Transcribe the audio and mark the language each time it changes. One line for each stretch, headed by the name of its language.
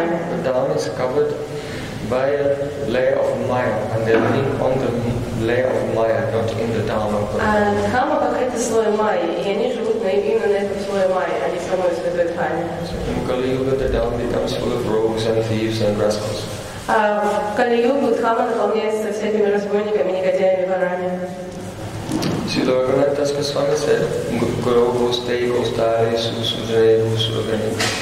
English: Vrindavan is covered by a layer of Maya, and they're living on the layer of Maya, not in the Dharma.
Russian: Dharma покрыта слоем Майи, и они живут именно на этом слое Майи, а не в самой святой Дхарме.
English: In Kali Yuga, the Dharma becomes full of rogues and thieves and rascals.
Russian: В Kali Yuga Dharma наполняется всякими разбойниками, негодяями, ворами.
English: Sri Raghunath Das Goswami said, Guru Gostei Gostari Su Sujai Ru Surgani.